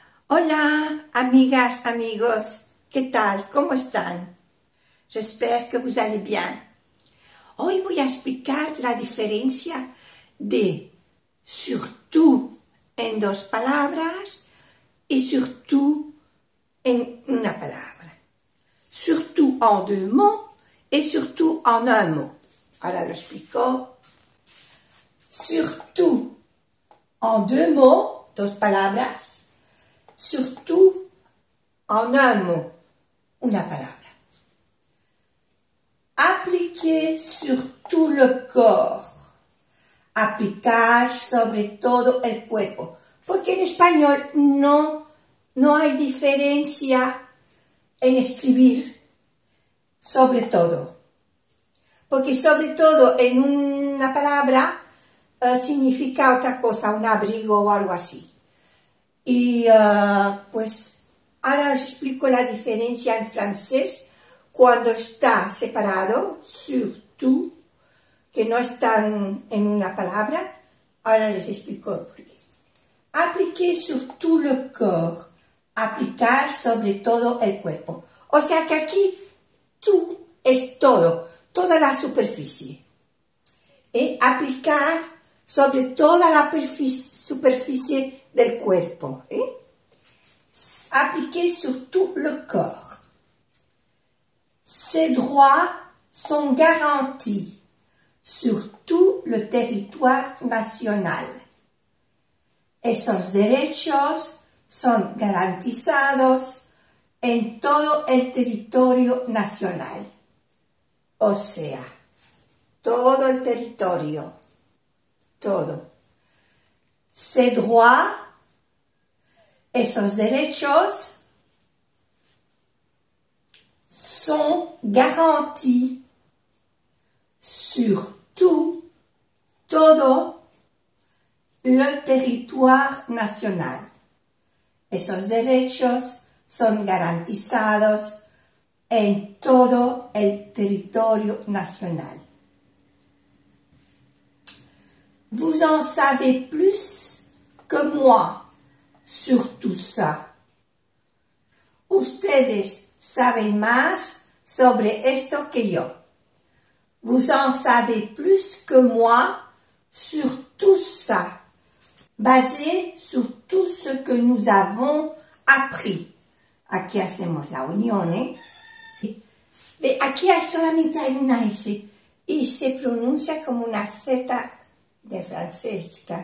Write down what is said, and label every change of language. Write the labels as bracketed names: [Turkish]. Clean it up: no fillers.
[Spanish] Hola, amigas, amigos, ¿qué tal? ¿Cómo están? [French] J'espère que vous allez bien. [Spanish] Hoy voy a explicar la diferencia de surtout en dos palabras y surtout en una palabra. [French] Surtout en deux mots et surtout en un mot. [Spanish] Ahora lo explico. [French] Surtout en deux mots, [Spanish] dos palabras. [French] Surtout en un mot, [Spanish] una palabra. [French] Appliquer sur tout le corps. [Spanish] Aplicar sobre todo el cuerpo. Porque en español no hay diferencia en escribir sobre todo. Porque sobre todo en una palabra significa otra cosa, un abrigo o algo así. Y pues ahora os explico la diferencia en francés cuando está separado, surtout, que no están en una palabra. Ahora les explico por qué. [French] Appliquer sur tout le corps. [Spanish] Aplicar sobre todo el cuerpo. O sea que aquí tout es todo, toda la superficie. Y aplicar sobre toda la superficie del cuerpo, ¿eh? [French] Appliquer sur tout le corps. Ces droits sont garantis sur tout le territoire national. [Spanish] Esos derechos son garantizados en todo el territorio nacional. O sea, todo el territorio. Todo. [French] Ces droits. [Spanish] Esos derechos [French] sont garantis sur tout, todo le territoire national. [Spanish] Esos derechos son garantizados en todo el territorio nacional. [French] Vous en savez plus que moi. Sur tout ça. [Spanish] Ustedes saben más sobre esto que yo. [French] Vous en savez plus que moi sur tout ça, basé sur tout ce que nous avons appris. [Spanish] Aquí hacemos la unión, ¿eh? Mais aquí hay solamente una S. Y se pronuncia como una Z de francés.